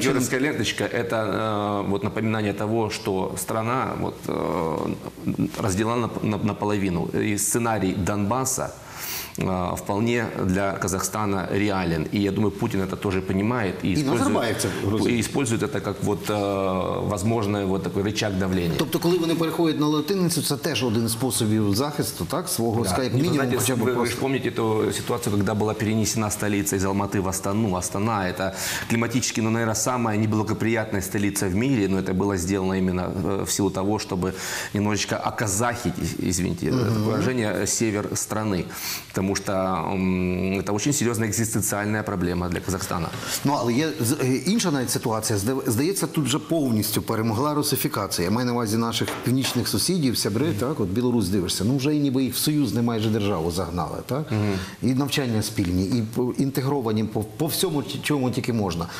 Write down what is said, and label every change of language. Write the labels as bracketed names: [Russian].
[Russian] чином? Это георгиевская ленточка, это вот напоминание того, что страна вот, разделена наполовину. И сценарий Донбасса вполне для Казахстана реален. И я думаю, Путин это тоже понимает. И Назарбаевцев и использует это как вот, возможный вот такой рычаг давления. [Ukrainian] Тобто, коли вони переходять на латиницу, це теж один из способів захисту, так, свого, да. [Russian] Скайп минимум. Знаете, хотя бы вы же помните ту ситуацию, когда была перенесена столица из Алматы в Астану. Астана – это климатически, ну, наверное, самая неблагоприятная столица в мире, но это было сделано именно в силу того, чтобы немножечко оказахить, извините, выражение, север страны. [Ukrainian] Тому що це дуже серйозна екзистенціальна проблема для Казахстана. Ну, але є інша навіть ситуація. Здається, тут вже повністю перемогла русифікація. Я маю на увазі наших північних сусідів, сябри, так? От Білорусь, дивишся. Ну, вже ніби їх в союзне майже державу загнали, так? І навчання спільні, і інтегровані по всьому, чому тільки можна.